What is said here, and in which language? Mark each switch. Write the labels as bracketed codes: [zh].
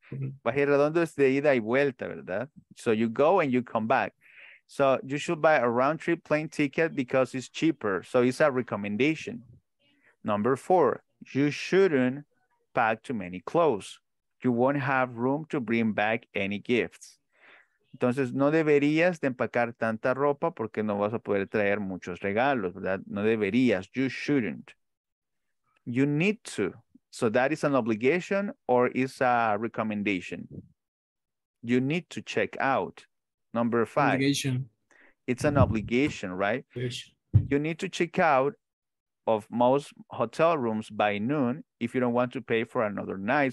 [es] Viaje redondo es de ida y vuelta, ¿verdad? [en] So you go and you come back. So you should buy a round trip plane ticket because it's cheaper. So it's a recommendation. Number four, you shouldn't pack too many clothes. You won't have room to bring back any gifts. [es] Entonces, no deberías de empacar tanta ropa porque no vas a poder traer muchos regalos, ¿verdad? No deberías. [en] You shouldn't. You need to. So that is an obligation or is a recommendation. You need to check out. Number five. Obligation. It's an obligation, right? Obligation. You need to check out of most hotel rooms by noon if you don't want to pay for another night.